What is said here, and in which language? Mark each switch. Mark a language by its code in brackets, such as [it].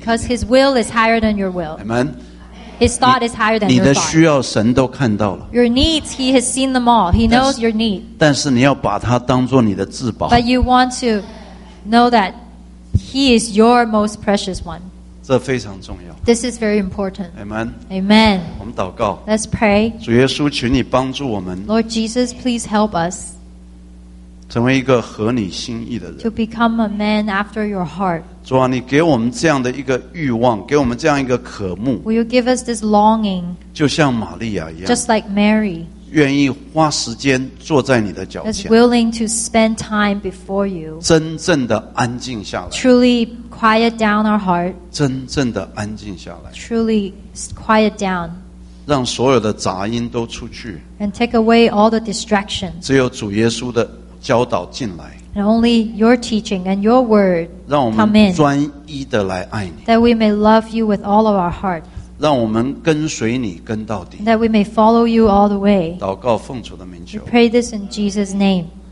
[en] Because His will is higher than your will. Amen. His thought is higher than your thought. [zh] 你的需要神都看到了。 [en] Your needs, He has seen them all. He knows your need. [zh] 但是你要把它当作你的至宝。 [en] But you want to know that He is your most precious one. [zh] 这非常重要。 [en] This is very important. Amen. Amen. [zh] 我们祷告。 [en] Let's pray. [zh] 主耶稣，求你帮助我们。 [en] Lord Jesus, please help us. [zh] 成为一个合你心意的人。 [en] To become a man after your heart. [zh] 主啊，你给我们这样的一个欲望，给我们这样一个渴慕。 [en] Will you give us this longing? [zh] 就像玛利亚一样。 [en] Just like Mary. [zh] 愿意花时间坐在你的脚前。 [en] Is willing to spend time before you. [zh] 真正的安静下来。 [en] Truly quiet down our heart. [zh] 真正的安静下来。 [en] Truly quiet down. [zh] 让所有的杂音都出去。 [en] And take away all the distractions. [zh] 只有主耶稣的教导进来。 [en] And only your teaching and your word come in. [zh] 让我们专一的来爱你。 [en] That we may love you with all of our heart. [zh] 让我们跟随你跟到底。 [en] That we may follow you all the way. [zh] 祷告奉主的名求。 [en] We pray this in Jesus' name.